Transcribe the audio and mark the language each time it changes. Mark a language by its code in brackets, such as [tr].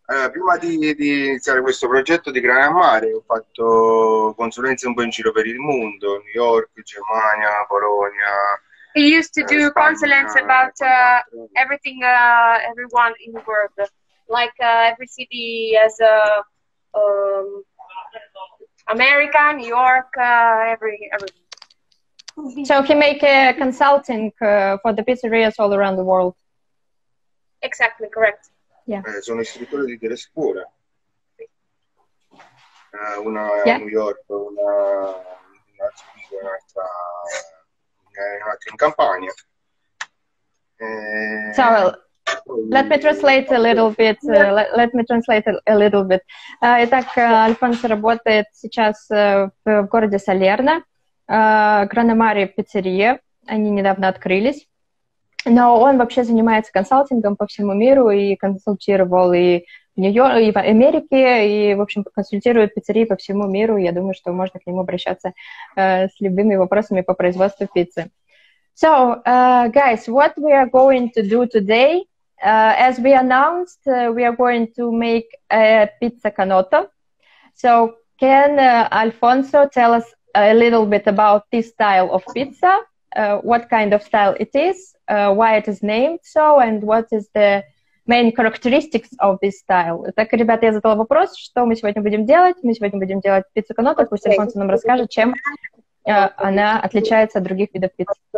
[it] Prima di iniziare questo progetto di Grana Mare, ho fatto consulenze un po' in giro per il mondo, New York, Germania, Polonia... [en] He used to do Spagna, consulenze about everything, everyone in the world. Like every city has a... America, New York, everything. So he make a consulting for the pizzerias all around the world. Exactly, correct. Yeah. [it] Sono istruttore di tre scuole. Una a New York, un'altra in Campania. [en] So, Let me translate a little bit. [ru] Итак, Альфонсо работает сейчас в городе Салерно. Grana Mare пиццерия. Они недавно открылись. Но он вообще занимается консалтингом по всему миру и консультировал и в Нью-Йорке, и в Америке, и, в общем, консультирует пиццерии по всему миру. Я думаю, что можно к нему обращаться с любыми вопросами по производству пиццы. [en] So, guys, what we are going to do today... as we announced, we are going to make a pizza Canotto. So can Alfonso tell us a little bit about this style of pizza, what kind of style it is, why it is named so, and what is the main characteristics of this style? [ru] Итак, ребята, я задала вопрос, что мы сегодня будем делать. Мы сегодня будем делать пиццу Canotto. Пусть Альфонсо нам расскажет, чем она отличается от других видов пиццы.